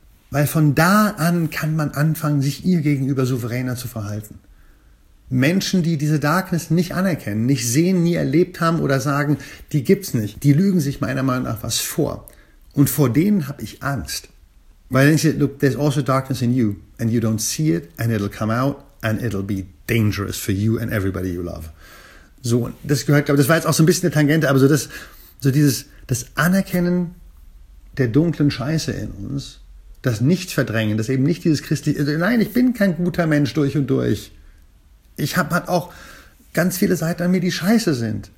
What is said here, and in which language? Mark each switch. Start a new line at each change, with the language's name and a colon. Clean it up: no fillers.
German: Weil von da an kann man anfangen, sich ihr gegenüber souveräner zu verhalten. Menschen, die diese Darkness nicht anerkennen, nicht sehen, nie erlebt haben oder sagen, die gibt's nicht, die lügen sich meiner Meinung nach was vor. Und vor denen habe ich Angst. Weil dann denke ich,
English: look, there's also darkness in you and you don't see it and it'll come out and it'll be dangerous for you and everybody you love.
German: So, das gehört, glaube ich, das war jetzt auch so ein bisschen eine Tangente, aber das Anerkennen der dunklen Scheiße in uns, das Nicht-Verdrängen, das eben nicht dieses christliche, also nein, ich bin kein guter Mensch durch und durch. Ich habe halt auch ganz viele Seiten an mir, die scheiße sind.